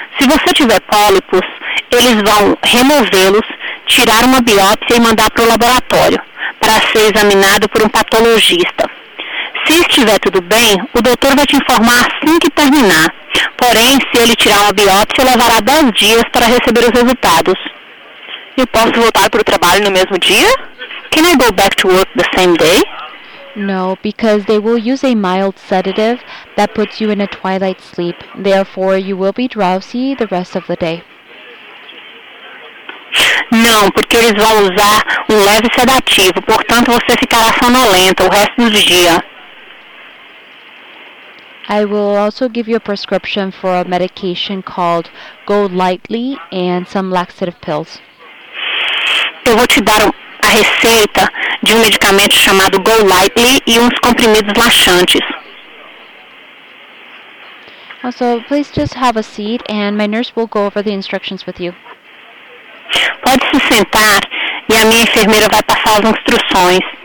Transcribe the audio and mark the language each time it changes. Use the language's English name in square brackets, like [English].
[Portuguese] Se você tiver pólipos, eles vão removê-los, tirar uma biópsia e mandar para o laboratório para ser examinado por um patologista. Se estiver tudo bem, o doutor vai te informar assim que terminar. Porém, se ele tirar uma biópsia, levará 10 dias para receber os resultados. Eu posso voltar para o trabalho no mesmo dia? [English] Can I go back to work the same day? No, because they will use a mild sedative that puts you in a twilight sleep. Therefore, you will be drowsy the rest of the day. [Portuguese] Não, porque eles vão usar um leve sedativo. Portanto, você ficará sonolenta o resto do dia. [English] I will also give you a prescription for a medication called Go Lightly and some laxative pills. [Portuguese] Eu vou te dar a receita de um medicamento chamado Go Lightly e uns comprimidos laxantes. [English] Also, please just have a seat and my nurse will go over the instructions with you. [Portuguese] Pode se sentar e a minha enfermeira vai passar as instruções.